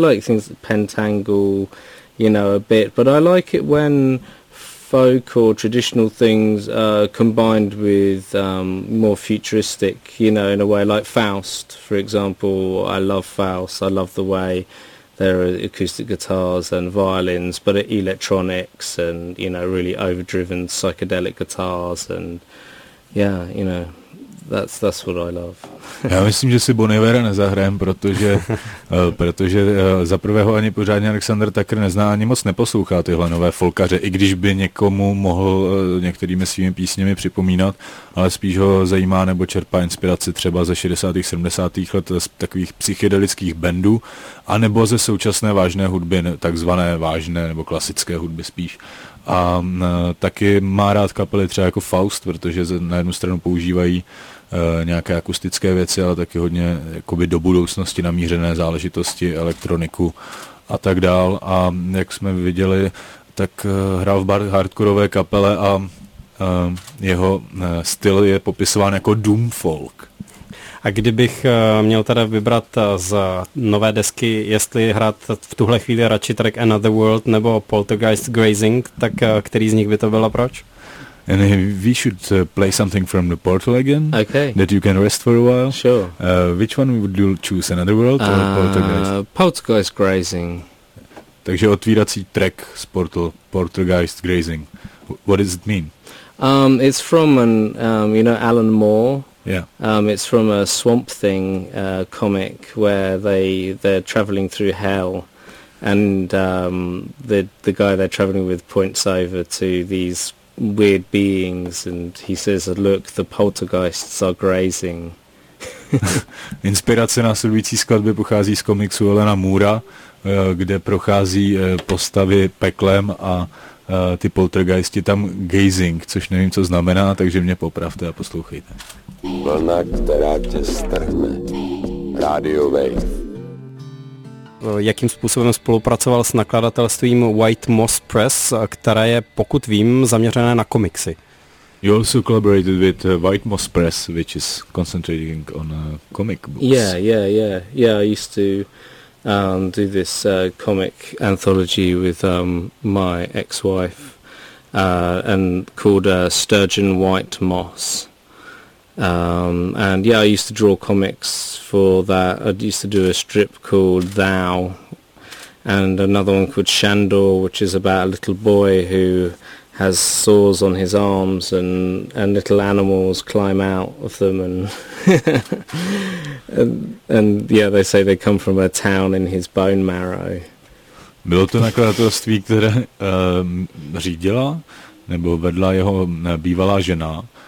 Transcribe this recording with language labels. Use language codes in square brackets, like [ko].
[en] I like things like Pentangle, you know, a bit, but I like it when folk or traditional things combined with more futuristic, you know, in a way, like Faust, for example. I love Faust. I love the way there are acoustic guitars and violins, but electronics and, you know, really overdriven psychedelic guitars and, yeah, you know. That's what I love. [cs] Já myslím, že si Bon Ivera nezahrajem, protože za prvého ani pořádně Alexander Tucker nezná, ani moc neposlouchá tyhle nové folkaře, i když by někomu mohl některými svými písněmi připomínat, ale spíš ho zajímá nebo čerpá inspiraci třeba ze 60. 70. let z takových psychedelických bandů, anebo ze současné vážné hudby, takzvané vážné nebo klasické hudby spíš. A taky má rád kapely třeba jako Faust, protože na jednu stranu používají nějaké akustické věci, ale taky hodně jakoby do budoucnosti namířené záležitosti, elektroniku a tak dál. A jak jsme viděli, tak hrál v hardkorové kapele a jeho styl je popisován jako doom folk. A kdybych měl teda vybrat z nové desky, jestli hrát v tuhle chvíli radši track Another World nebo Poltergeist Grazing, tak který z nich by to bylo, proč? [en] And we should play something from the Portal again. Okay. That you can rest for a while. Sure. Which one would you choose? Another World or Poltergeist? Poltergeist Grazing. [cs] Takže otvírací track z Portal, Poltergeist Grazing. [en] What does it mean? It's from an, you know, Alan Moore. Yeah. It's from a Swamp Thing comic where they're traveling through hell. And the guy they're traveling with points over to these weird beings, and he says, "Look, the poltergeists are grazing." [cs] Inspirace následující skladby pochází z komiksu Alana Moora, kde prochází postavy peklem a ty poltergeisti tam gazing, což nevím, co znamená, takže mě popravte a poslouchejte. Vlna, která tě strhne. Radio Wave. Jakým způsobem spolupracoval s nakladatelstvím White Moss Press, které je, pokud vím, zaměřené na komiksy? [en] You also collaborated with White Moss Press, which is concentrating on comic books. Yeah. I used to do this comic anthology with my ex-wife and called Sturgeon White Moss. And yeah, I used to draw comics for that. I used to do a strip called Thou and another one called Shandor, which is about a little boy who has sores on his arms and little animals climb out of them and yeah, they say they come from a town in his bone marrow. [cs] Bylo to nakladatelství, které řídila nebo vedla jeho bývalá žena.